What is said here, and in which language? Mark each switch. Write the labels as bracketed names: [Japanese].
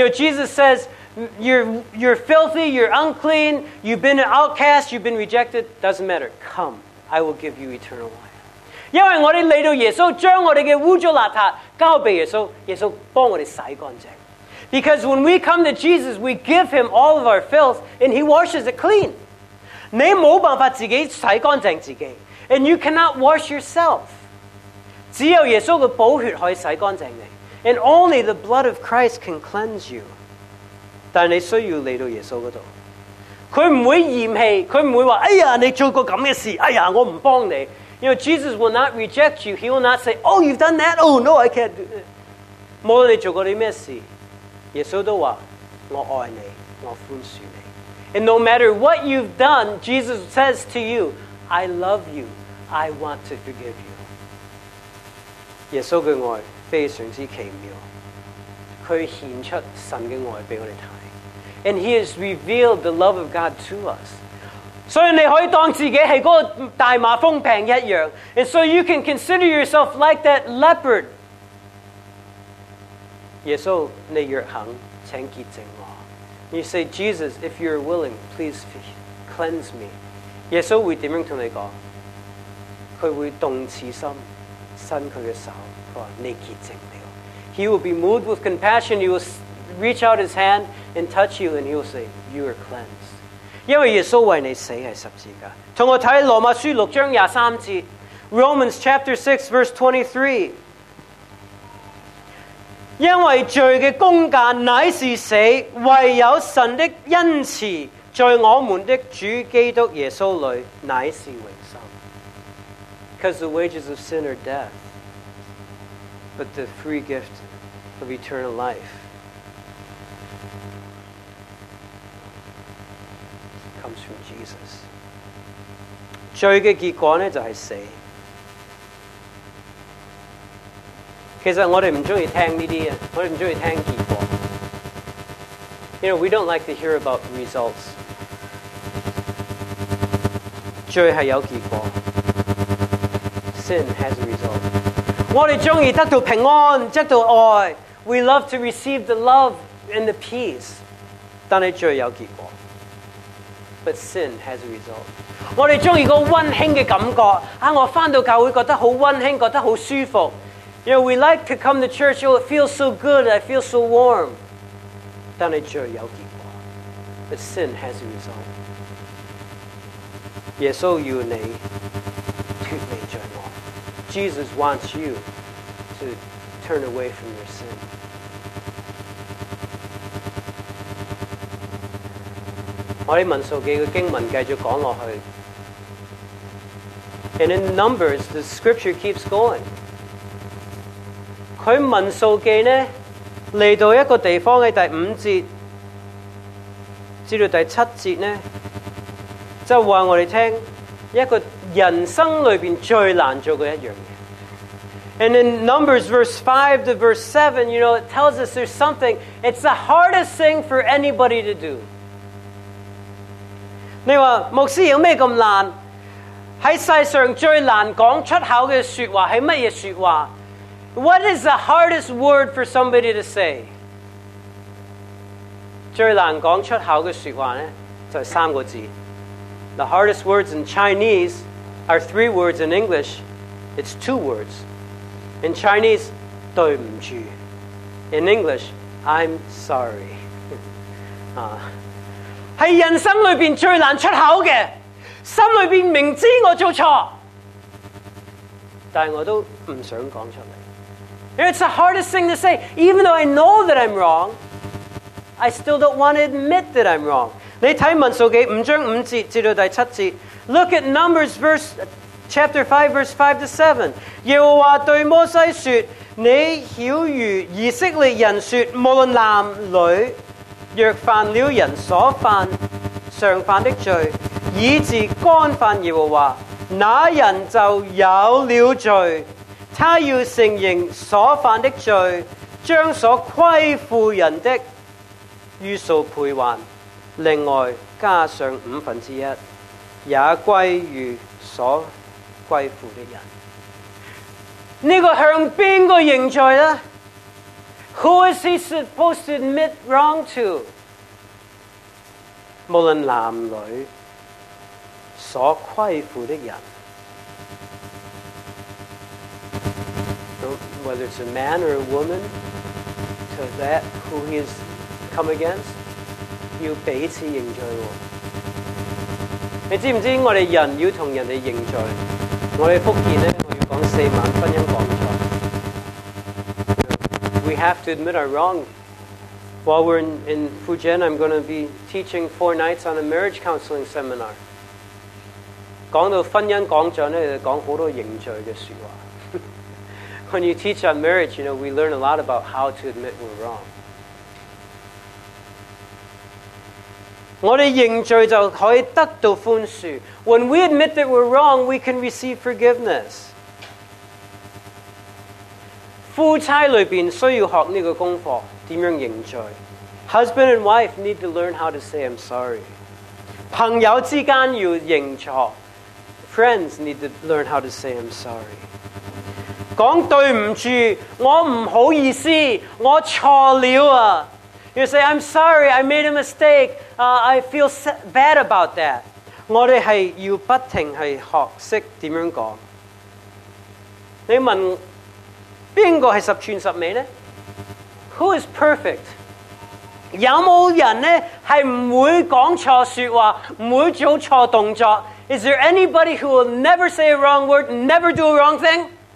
[English] You know, Jesus says you're filthy, you're unclean, you've been an outcast, you've been rejected, doesn't matter, come, I will give you eternal life. [Chinese] 因为我们来到耶稣，将我们的污糟邋遢交给耶稣，耶稣帮我们洗干净。 [English] Because when we come to Jesus, we give him all of our filth, and he washes it clean. [Chinese] 你没有办法自己洗干净自己。 [English] And you cannot wash yourself. [Chinese] 只有耶稣的宝血可以洗干净你。 [English] And only the blood of Christ can cleanse you. [Chinese] 但你需要来到耶稣那里。他不会嫌弃，他不会说，哎呀，你做过这样的事，哎呀，我不帮你。 [English] You know, Jesus will not reject you. He will not say, oh, you've done that. Oh, no, I can't do that. [Chinese] 无论你做过什么事，耶稣都说，我爱你，我宽恕你。 [English] And no matter what you've done, Jesus says to you, I love you. I want to forgive you. [Chinese] 耶稣的爱非常之奇妙。他显出神的爱给我们看。 [English] And he has revealed the love of God to us. [Chinese] 所以你可以当自己是那个大麻风病一样。 [English] And so you can consider yourself like that leopard. [Chinese] 耶稣，你若肯，请洁净我。 [English] You say, Jesus, if you're willing, please cleanse me. [Chinese] 耶稣会怎样跟你说？他会动慈心，伸他的手，他说你洁净了。 [English] He will be moved with compassion. He will reach out his hand and touch you, and he will say, you are cleansed. [Chinese] 因为耶稣为你死是十字架。同我看罗马书六章廿三节， [English] Romans chapter 6 verse 23。 [Chinese] 因为罪的工价乃是死，唯有神的恩赐在我们的主基督耶稣里乃是永生。 [English] Because the wages of sin are death, but the free gift of eternal life. comes from Jesus. [Chinese] 罪的结果呢就是死。其实我们不喜欢听这些，我们不喜欢听结果。 [English] You know, we don't like to hear about results. [Chinese] 罪是有结果。 [English] Sin has a result. [Chinese] 我们喜欢得到平安，得到爱。 [English] We love to receive the love and the peace. [Chinese] 但是罪有结果。 [English] But sin has a result. [Chinese] 我们喜欢一个温馨的感觉，啊，我回到教会觉得很温馨，觉得很舒服。 [English] You know, we like to come to church, oh, it feels so good, I feel so warm. [Chinese] 但是罪有结果。 [English] But sin has a result. [Chinese] 耶稣要你脱离罪恶。 [English] Jesus wants you to turn away from your sin. [Chinese] 我们文数记的经文继续讲下去。 [English] And in Numbers, the scripture keeps going. [Chinese] 他文数记呢，来到一个地方的第五节，至到第七节呢，就告诉我们，一个人生里面最难做的一样的。 [English] And in Numbers verse 5 to verse 7, you know, it tells us there's something, it's the hardest thing for anybody to do. [Chinese] 你说牧师有什么那么难？在世上最难讲出口的说话是什么说话？ [English] What is the hardest word for somebody to say? [Chinese] 最难讲出口的说话呢，就是三个字。 [English] The hardest words in Chinese are three words in English. It's two words. In Chinese, [Chinese] 对不住。 [English] In English, I'm sorry. [Chinese] 是人生里面最难出口的，心里面明知我做错，但我都不想讲出来。 [English] It's the hardest thing to say. Even though I know that I'm wrong, I still don't want to admit that I'm wrong. [Chinese] 你看文数记五章五节至到第七节。 [English] Look at Numbers verse, chapter 5, verse 5 to 7. [Chinese] 耶和华对摩西说，你晓谕以色列人说，无论男女，若犯了人所犯常犯的罪，以致干犯耶和华，那人就有了罪，他要承认所犯的罪，将所亏负人的于数赔还，另外加上五分之一，也归于所亏负的人。这个向边个认罪呢？ [English] Who is he supposed to admit wrong to? [Chinese] 无论男女，所亏负的人。 [English] Whether it's a man or a woman, to that who he has come against, [Chinese] 要彼此认罪。你知不知道我们人要同人认罪？我们福建呢，我要讲四晚婚姻讲错。 [English] We have to admit our wrong. While we're in Fujian, I'm going to be teaching four nights on a marriage counseling seminar. [Chinese] 讲到婚姻讲错呢，就讲好多认罪的说话。 [English] When you teach on marriage, you know, we learn a lot about how to admit we're wrong. [Chinese] 我们认罪就可以得到宽恕。 [English] When we admit that we're wrong, we can receive forgiveness. [Chinese] 夫妻里面需要学这个功课，怎样认罪。 [English] Husband and wife need to learn how to say I'm sorry. [Chinese] 朋友之间要认错。 [English] Friends need to learn how to say I'm sorry. [Chinese] 讲对不住，我不好意思，我错了啊。 [English] You say, I'm sorry, I made a mistake, I feel bad about that. [Chinese] 我们是要不停去学习怎样讲。你问边个是十全十美呢？ [English] Who is perfect? [Chinese] 有没有人呢是不会讲错说话，不会做错动作？ [English] Is there anybody who will never say a wrong word, never do a wrong thing?